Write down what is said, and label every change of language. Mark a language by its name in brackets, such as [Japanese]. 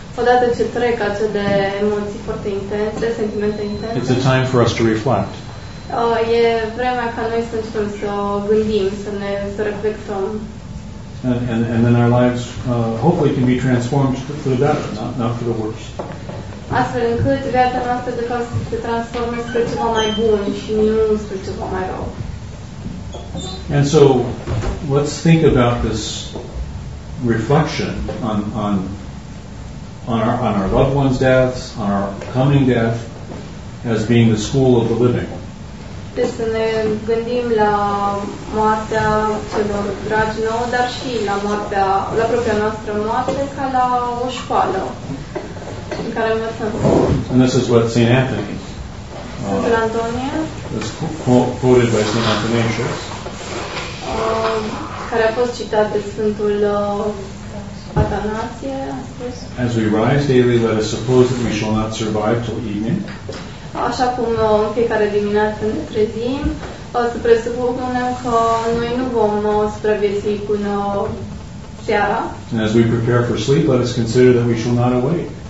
[Romanian] Odată ce trec acele de emoții foarte intense, sentimente intense. [English] It's a time for us to reflect. [Romanian] E vremea ca noi să începem să gândim, să reflectăm. [English] And then our lives hopefully can be transformed for the better, not for the worse. [Romanian] Astfel încât viața noastră de fapt se transformă spre ceva mai bun și nu spre ceva mai rău. [English] And so let's think about this reflection on our loved ones' deaths, on our coming death, as being the school of the living. [Romanian] Deci să ne gândim la moartea celor dragi nouă, dar și la moartea, la propria noastră moarte, ca la o școală în care învățăm. [English] And this is what St. Anthony, [Romanian] Sfântul Antonie, [English] is quoted by St. Athanasius, [Romanian] care a fost citat de Sfântul Atanasie, [English] as we rise daily, let us suppose that we shall not survive till evening. [Romanian] Așa cum în fiecare dimineață ne trezim, să presupunem că noi nu vom supraviețui până seara. [English] And as we prepare for sleep, let us consider that we shall not awake.